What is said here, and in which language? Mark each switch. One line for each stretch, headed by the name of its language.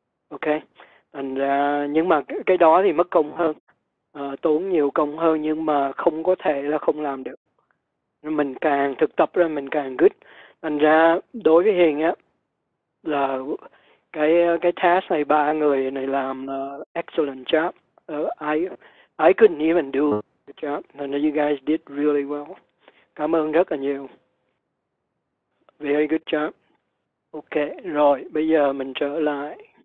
Vietnamese: Ok, thành ra nhưng mà cái đó thì mất công hơn, tốn nhiều công hơn, nhưng mà không có thể là không làm được. Mình càng thực tập ra mình càng good. Thành ra đối với Hiền á là cái task này ba người này làm
English: excellent job. I couldn't even do the job. I know you guys did really well.
Vietnamese: Cảm ơn rất là nhiều.
English: Very good job.
Vietnamese: Ok, rồi bây giờ mình trở lại.